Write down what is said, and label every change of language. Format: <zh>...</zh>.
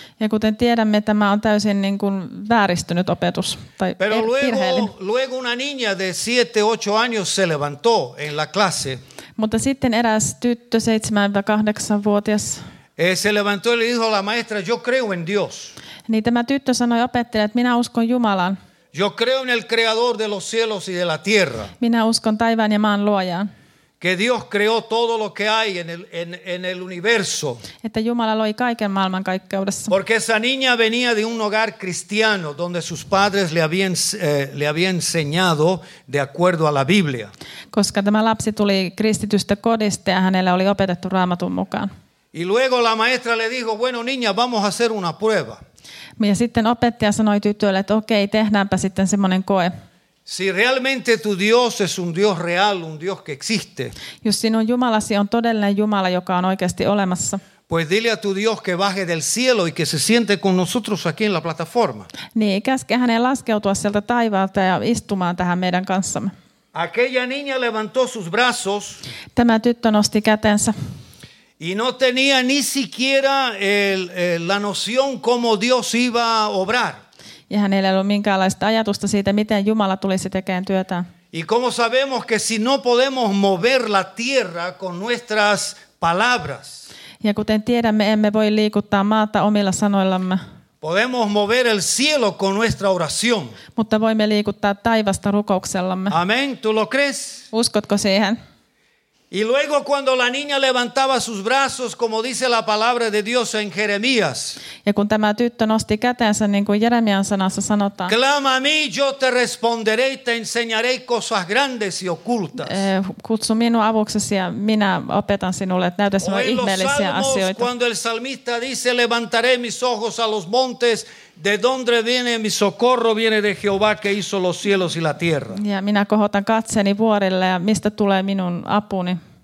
<fi>Ja kuten tiedämme, tämä on täysin niin kuin vääristynyt opetus tai virheellinen.</fi> <es>Luego una niña de 7-8 años se levantó en la clase.</es> <fi>Mutta sitten eräs tyttö 7-8-vuotias.</fi> <es>Se levantó y le dijo a la maestra, yo creo en Dios.</es> <fi>Niin tämä tyttö sanoi opettajalle, että minä uskon Jumalaan.</fi> <es>Yo creo en el creador de los cielos y de la tierra.</es> <fi>Minä uskon taivaan ja maan luojaan.</fi> <es>Que Dios creó todo lo que hay en el universo.</es> <fi>Että Jumala loi kaiken maailman kaikkeudessa.</fi> <es>Porque esa niña venía de un hogar cristiano donde sus padres le había enseñado de acuerdo a la Biblia.</es> <fi>Koska tämä lapsi tuli kristitystä kodista ja hänelle oli opetettu Raamatun mukaan.</fi> <es>Y luego la maestra le dijo, bueno niña, vamos a hacer una prueba.</es> <fi>Ja sitten opettaja sanoi tytölle, että okei, tehdäänpä sitten semmoinen koe.</fi> <es>Si realmente tu Dios es un Dios real, un Dios que existe.</es> <fi>Jos sinun Jumalasi on todellinen Jumala, joka on oikeasti olemassa.</fi> <es>Pues dile a tu Dios que baje del cielo y que se siente con nosotros aquí en la plataforma.</es> <fi>Niin, käske hänen laskeutua sieltä taivaalta ja istumaan tähän meidän kanssamme.</fi> <es>Aquella niña levantó sus brazos.</es> <fi>Tämä tyttö nosti kätensä.</fi> <es>Y no tenía ni siquiera la noción cómo Dios iba a obrar.</es> <fi>Ja hänellä ei ollut minkäänlaista ajatusta siitä, miten Jumala tulisi tekemään työtä.</fi> <es>Y cómo sabemos que si no podemos mover la tierra con nuestras palabras.</es> <fi>Ja kuten tiedämme, emme voi liikuttaa maata omilla sanoillamme.</fi> <es>Podemos mover el cielo con nuestra oración.</es> <fi>Mutta voimme liikuttaa taivasta rukouksellamme.</fi> <es>Amén, ¿tú lo crees?</es> <fi>Uskotko siihen?</fi> <es>Y luego cuando la niña levantaba sus brazos, como dice la palabra de Dios en Jeremías.</es> <fi>Ja kun tämä tyttö nosti kätensä, niin kuin Jeremian sanassa sanotaan.</fi> <es>Clama a mí, yo te responderé y te enseñaré cosas grandes y ocultas.</es> <fi>Kutsu minua avuksesi ja minä opetan sinulle, että näytä sinulle ihmeellisiä</fi> <es>salmos,</es> <fi>asioita.</fi> <es>Cuando el salmista dice, levantaré mis ojos a los montes, de donde viene mi socorro, viene de Jehová que hizo los cielos y la tierra.</es> <fi>Ja minä kohotan katseeni vuorille ja mistä tulee minun apuni.</fi>